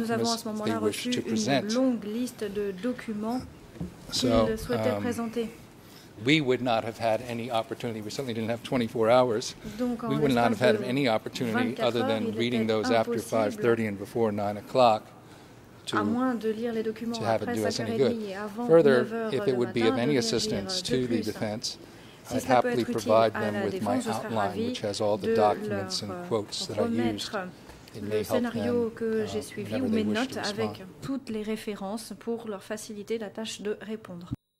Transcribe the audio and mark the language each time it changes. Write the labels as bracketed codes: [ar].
[fr] nous avons à ce moment-là reçu une longue liste de documents qu'ils souhaitaient présenter. [en] We would not have had any opportunity. We certainly didn't have 24 hours. We would not have had any opportunity other than reading those after 5:30 and before 9 o'clock. [fr] À moins de lire les documents [en] to have [fr] après [en] it do us any good. Further, if it would be of any assistance to the defense, I'd happily provide them with my outline, which has all the documents and quotes that I used. It may help them whenever they wish to respond. [fr] Avec toutes les références pour leur faciliter la tâche de répondre.